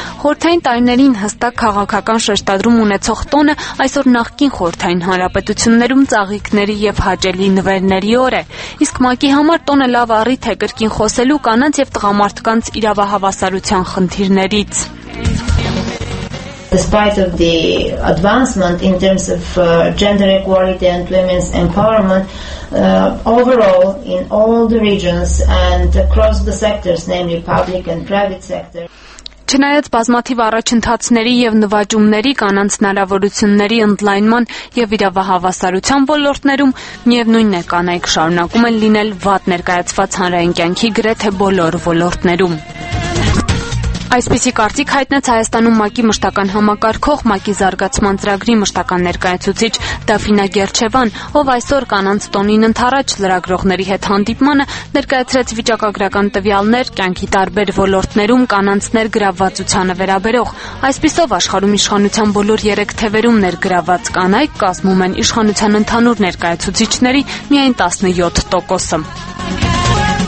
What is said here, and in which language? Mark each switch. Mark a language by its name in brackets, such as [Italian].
[Armenian] Խորհրդային տարիներին հստակ քաղաքական շեշտադրում ունեցող տոնը այսօր նախկին Խորհրդային Հանրապետություններում ծաղիկների եւ հաճելի նվերների օր է։ Իսկ ՄԱԿ-ի համար տոնը լավ առիթ է կրկին խոսել սելու կանանց եւ տղամարդկանց իրավահավասարության խնդիրներից։ [English] Despite of the advancement in terms of gender equality and women's empowerment, overall in all the regions and across the sectors, namely public and private sector, [Armenian] Չնայած բազմաթիվ առաջընթացների եւ նվաճումների կանանց հնարավորությունների ընդլայնման եւ իրավահավասարության ոլորտներում, միևնույնն է, կանայք շարունակում են լինել վատ ներկայացված հանրային կյանքի գրեթե բոլոր ոլորտներում։ Այսպիսի կարծիք հայտնեց Հայաստանում ՄԱԿ-ի մշտական համակարգող, ՄԱԿ-ի զարգացման ծրագրի մշտական ներկայացուցիչ Դաֆինա Գերչևան, ով այսօր կանանց տոնին ընդառաջ լրագրողների հետ հանդիպմանը ներկայացրեց վիճակագրական տվյալներ կյանքի տարբեր ոլորտներում կանանց ներգրավվածության վերաբերող։ Այսպիսով աշխարհում իշխանության բոլոր 3 թևերում ներգրավված կանայք կազմում են իշխանության ընդհանուր ներկայացուցիչների միայն 17%-ը։